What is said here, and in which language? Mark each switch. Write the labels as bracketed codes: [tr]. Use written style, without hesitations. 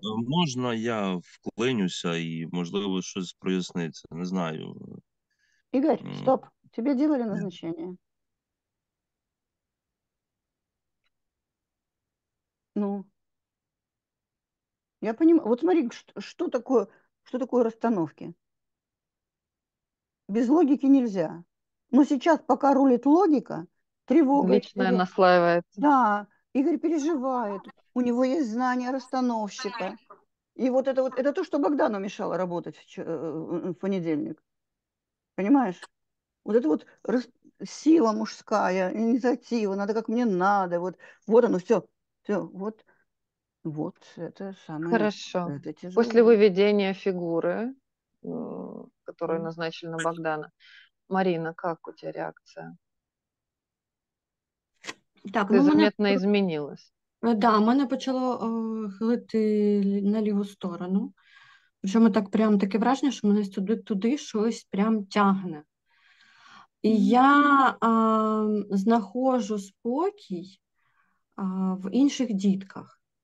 [uk] Можно я вклинюся и, можливо, щось проясниться? [ru] Не знаю. Игорь, стоп. Тебе делали назначение? Ну, я понимаю. Вот смотри, что такое расстановки? Без логики нельзя. Но сейчас, пока рулит логика, тревога. Личное наслаивается. Да, Игорь переживает. У него есть знания расстановщика. И вот, это то, что Богдану мешало работать в понедельник. Понимаешь? Вот это вот сила мужская, инициатива, надо как мне надо. Вот оно, все. Все, вот это самое. Хорошо. Это после выведения фигуры, которую назначили на Богдана. Марина, как у тебя реакция? Так, ты заметно мене... изменилась. [uk] Да, мене почало хилити на ліву сторону. Причому так прям таке враження, що мене туди щось прям тягне. І я знаходжу спокій в інших дітках.